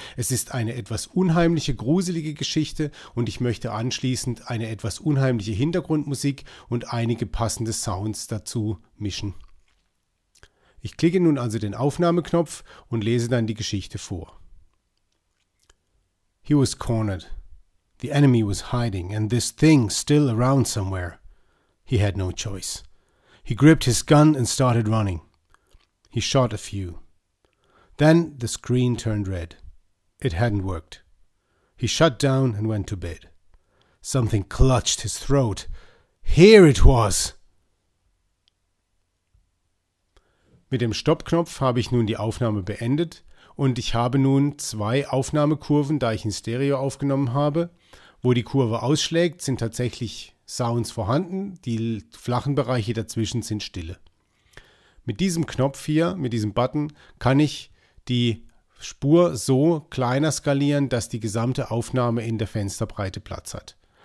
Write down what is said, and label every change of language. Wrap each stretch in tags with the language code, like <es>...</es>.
<de>Es ist eine etwas unheimliche, gruselige Geschichte und ich möchte anschließend eine etwas unheimliche Hintergrundmusik und einige passende Sounds dazu mischen. Ich klicke nun also den Aufnahmeknopf und lese dann die Geschichte vor.</de> <en>He was cornered. The enemy was hiding, and this thing still around somewhere. He had no choice. He gripped his gun and started running. He shot a few. Then the screen turned red. It hadn't worked. He shut down and went to bed. Something clutched his throat. Here it was!</en> <de>Mit dem Stoppknopf habe ich nun die Aufnahme beendet. Und ich habe nun zwei Aufnahmekurven, da ich in Stereo aufgenommen habe. Wo die Kurve ausschlägt, sind tatsächlich Sounds vorhanden. Die flachen Bereiche dazwischen sind Stille. Mit diesem Knopf hier, mit diesem Button, kann ich die Spur so kleiner skalieren, dass die gesamte Aufnahme in der Fensterbreite Platz hat.</de>